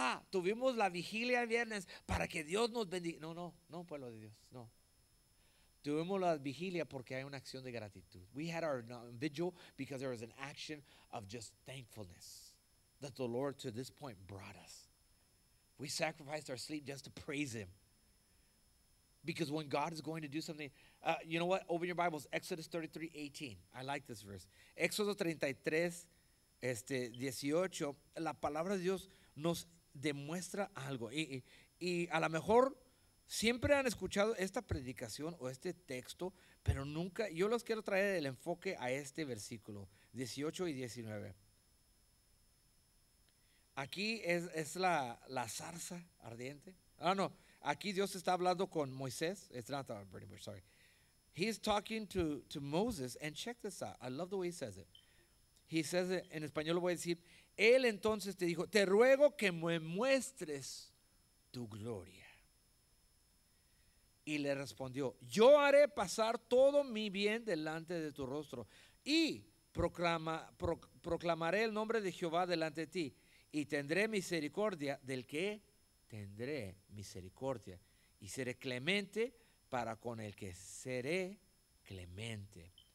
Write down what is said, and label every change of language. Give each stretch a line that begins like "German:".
Spanish: Tuvimos la vigilia el viernes para que Dios nos bendiga. No, no, no, pueblo de Dios, no. Tuvimos la vigilia porque hay una acción de gratitud.
English: We had our vigil because there was an action of just thankfulness that the Lord to this point brought us. We sacrificed our sleep just to praise him. Because when God is going to do something, you know what? Open your Bibles. Exodus 33, 18. I like this verse. Exodus 33, 18.
Spanish: La palabra de Dios nos demuestra algo. Y a lo mejor siempre han escuchado esta predicación o este texto, pero nunca. Yo los quiero traer el enfoque a este versículo, 18 y 19. Aquí es la zarza ardiente. Ah, no. Aquí Dios está hablando con Moisés.
English: It's not the burning bush, sorry. He's talking to Moses, and check this out. I love the way he says it. He says,
Spanish: en español lo voy a decir, él entonces te dijo, te ruego que me muestres tu gloria. Y le respondió, yo haré pasar todo mi bien delante de tu rostro y proclamaré el nombre de Jehová delante de ti y tendré misericordia del que tendré misericordia y seré clemente para con el que seré clemente.